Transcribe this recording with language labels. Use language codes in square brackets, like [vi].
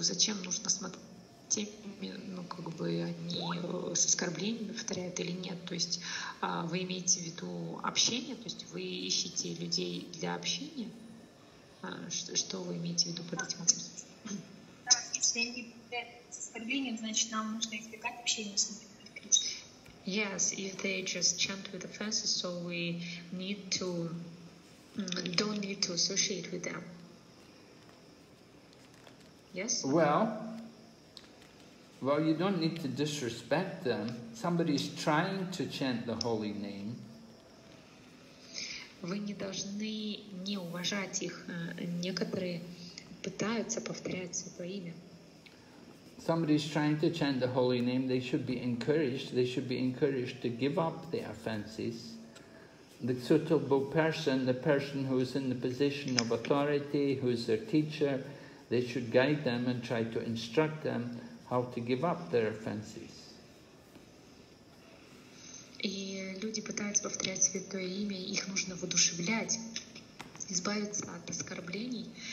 [ru] Зачем нужно смотреть, ну как бы они с оскорблениями повторяют или нет? То есть вы имеете в виду общение? То есть вы ищете людей для общения? Что вы имеете в виду под этим? Да, если они повторяют с оскорблением, значит нам нужно избегать общения с ними. [en] Yes, if they just chant with offenses, so we don't need to associate with them. Yes? Well, you don't need to disrespect them. Somebody's trying to chant the holy name. [ru] Вы не должны не уважать их. Некоторые пытаются повторять свое имя. [en] Somebody is trying to chant the holy name, they should be encouraged. They should be encouraged to give up the offenses. The suitable person, the person who is in the position of authority, who is their teacher, they should guide them and try to instruct them how to give up their offenses. [ru] И люди пытаются повторять святое имя, их нужно воодушевлять, избавиться от оскорблений.